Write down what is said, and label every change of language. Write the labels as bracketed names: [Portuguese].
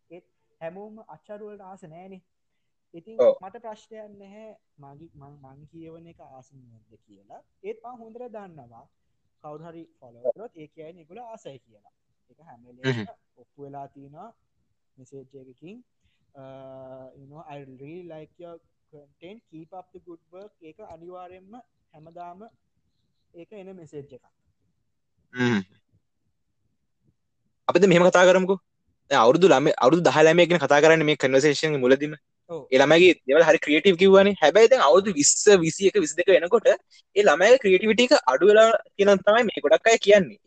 [Sinhala] ඒත් හැමෝම අචර වලට ආස නැහැනේ. ඉතින් මට ප්‍රශ්නයක් නැහැ මගේ මං කියවන එක ආස නැද්ද කියලා. ඒත් මම හොඳට දන්නවා කවුරු හරි ෆලෝ කරොත් ඒ කියන්නේ ඒගොල්ලෝ ආසයි කියලා. ඒක හැම වෙලේම ඔප්පු වෙලා තිනවා මෙසේජ් එකකින්. [English] You know, I really like your content. Keep up the good work. [Sinhala] ඒක අනිවාර්යෙන්ම හැමදාම ඒක එන මෙසේජ් එකක්. අපි දැන් මෙහෙම කතා කරමුකෝ. දැන් අවුරුදු ළමයි අවුරුදු 10 ළමයි කියන කතා කරන්නේ මේ conversation එකේ මුලදීම. ඔව්. ඒ ළමයිගේ දේවල් හරි creative කිව්වනේ. හැබැයි දැන් අවුරුදු 20 21 22 වෙනකොට ඒ ළමයිගේ creativity එක අඩු වෙලා කියන තමයි මේ ගොඩක් අය කියන්නේ.